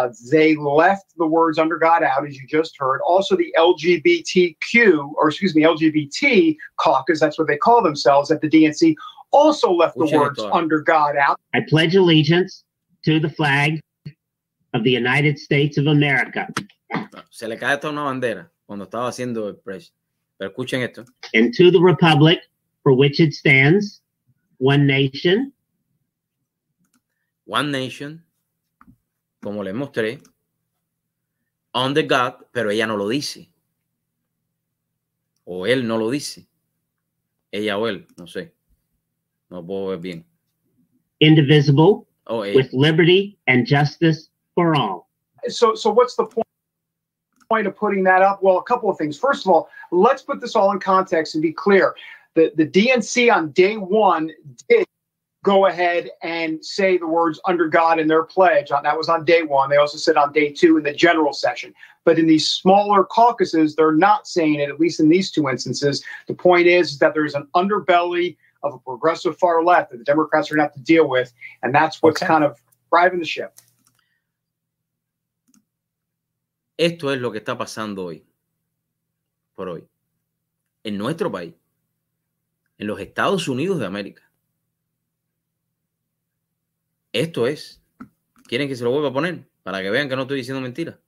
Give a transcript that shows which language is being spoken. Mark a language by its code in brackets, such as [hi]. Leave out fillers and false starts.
[en] They left the words under God out, as you just heard. Also, the LGBT caucus, that's what they call themselves at the DNC, also left the words under God out. I pledge allegiance to the flag of the United States of America. [es] Se le cae esta una bandera cuando estaba haciendo el press. Pero escuchen esto. [en] And to the republic for which it stands. One nation, [es] como le mostré, [en] under God, [es] pero ella no lo dice. O él no lo dice. Ella o él, no sé. No puedo ver bien. [en] Indivisible, oh, with liberty and justice for all. So what's the point? Point of putting that up? Well, a couple of things. First of all, let's put this all in context and be clear. The DNC on day one did go ahead and say the words under God in their pledge. That was on day one. They also said on day two in the general session. But in these smaller caucuses, they're not saying it, at least in these two instances. The point is that there is an underbelly of a progressive far left that the Democrats are going to have to deal with. And that's what's kind of driving the ship. [es] Esto es lo que está pasando hoy, por hoy, en nuestro país, en los Estados Unidos de América. Esto es. ¿Quieren que se lo vuelva a poner? Para que vean que no estoy diciendo mentiras.